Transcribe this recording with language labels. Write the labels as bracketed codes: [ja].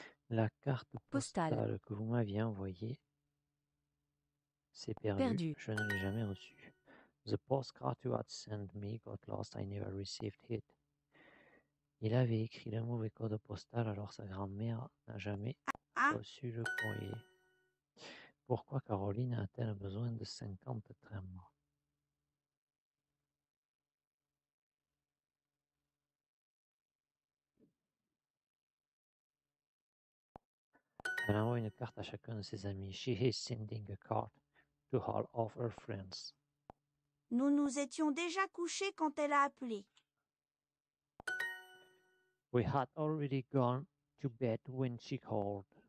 [fr] La carte postale que vous m'aviez envoyée s'est perdue. Perdu. Je ne l'ai jamais reçue. [en] The postcard you had sent me got lost. I never received it. [fr] Il avait écrit le mauvais code postal, alors sa grand-mère n'a jamais reçu le courrier. Pourquoi Caroline a-t-elle besoin de 50 trains? Elle envoie une carte à chacun de ses amis. [en] She is sending a card to all of her friends. [fr] Nous nous étions déjà couchés quand elle a appelé. [en] We had already gone to bed when she called.